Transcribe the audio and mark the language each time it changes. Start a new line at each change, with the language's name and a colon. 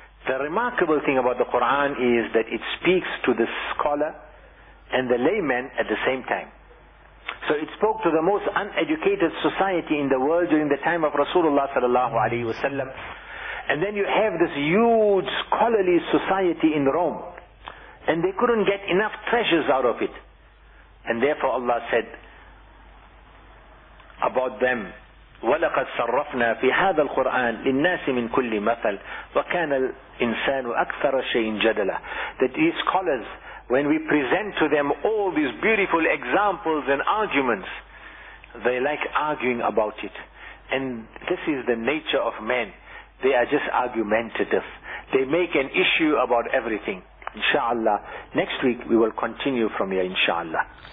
English: The remarkable thing about the Quran is that it speaks to the scholar and the layman at the same time. So it spoke to the most uneducated society in the world during the time of Rasulullah sallallahu alaihi wasallam. And then you have this huge scholarly society in Rome. And they couldn't get enough treasures out of it. And therefore Allah said about them,
Arabic: وَلَقَدْ صَرَّفْنَا فِي هَذَا الْقُرْآنِ لِلنَّاسِ مِنْ كُلِّ مَثَلٍ وَكَانَ الْإِنسَانُ أَكْثَرَ شَيْءٍ جَدَلًا.
English: That these scholars, when we present to them all these beautiful examples and arguments, they like arguing about it. And this is the nature of men. They are just argumentative. They make an issue about everything. Inshallah, next week we will continue from here, inshallah.